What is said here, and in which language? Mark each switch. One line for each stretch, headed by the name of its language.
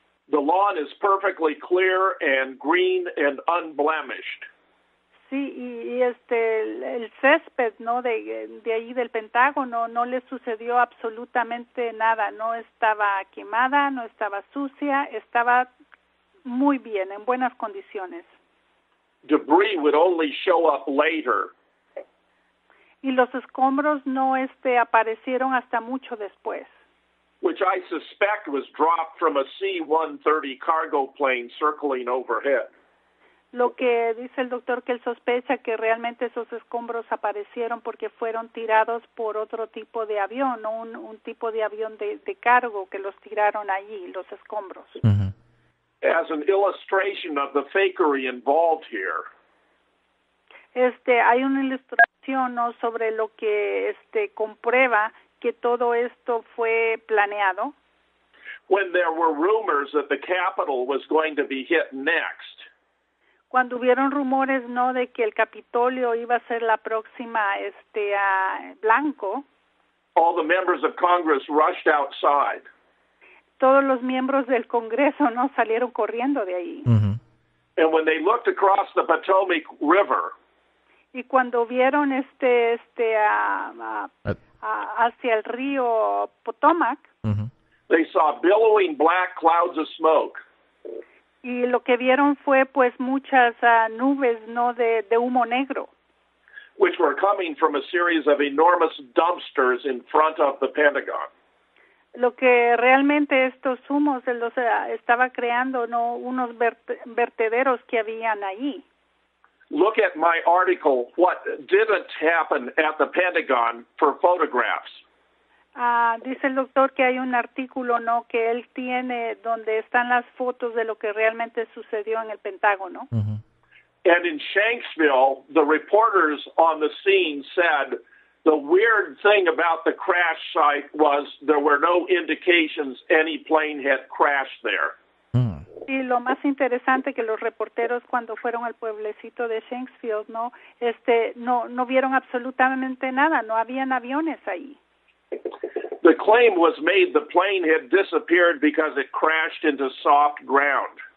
English: The lawn is perfectly clear and green and unblemished.
Spanish: Sí, y el césped, ¿no?, de ahí del Pentágono, no le sucedió absolutamente nada. No estaba quemada, no estaba sucia, estaba muy bien, en buenas condiciones.
English: Debris would only show up later.
Spanish: Y los escombros no aparecieron hasta mucho después.
English: Which I suspect was dropped from a C-130 cargo plane circling overhead.
Spanish: Lo que dice el doctor, que él sospecha que realmente esos escombros aparecieron porque fueron tirados por otro tipo de avión, no un tipo de avión de cargo, que los tiraron allí, los escombros. Uh-huh.
English: As an illustration of the fakery involved here.
Spanish: Hay una ilustración, ¿no?, sobre lo que comprueba que todo esto fue planeado.
English: When there were rumors that the Capitol was going to be hit next.
Spanish: Cuando hubieron rumores, ¿no?, de que el Capitolio iba a ser la próxima blanco.
English: All the members of Congress rushed outside.
Spanish: Todos los miembros del Congreso, ¿no?, salieron corriendo de ahí. Mm-hmm.
English: And when they looked across the Potomac River.
Spanish: Y cuando vieron hacia el río Potomac.
English: Mm-hmm. They saw billowing black clouds of smoke.
Spanish: Y lo que vieron fue muchas nubes, ¿no?, de humo negro.
English: Which were coming from a series of enormous dumpsters in front of the Pentagon.
Spanish: Lo que realmente estos humos estaba creando, ¿no?, unos vertederos que habían ahí.
English: Look at my article, What Didn't Happen at the Pentagon, for photographs.
Spanish: Dice el doctor que hay un artículo, ¿no?, que él tiene, donde están las fotos de lo que realmente sucedió en el Pentágono. Uh-huh.
English: And in Shanksville, the reporters on the scene said the weird thing about the crash site was there were no indications any plane had crashed there.
Spanish: Y lo más interesante, que los reporteros, cuando fueron al pueblecito de Shanksville, ¿no?, no vieron absolutamente nada, no habían aviones ahí.
English: The claim was made the plane had disappeared because it crashed into soft ground.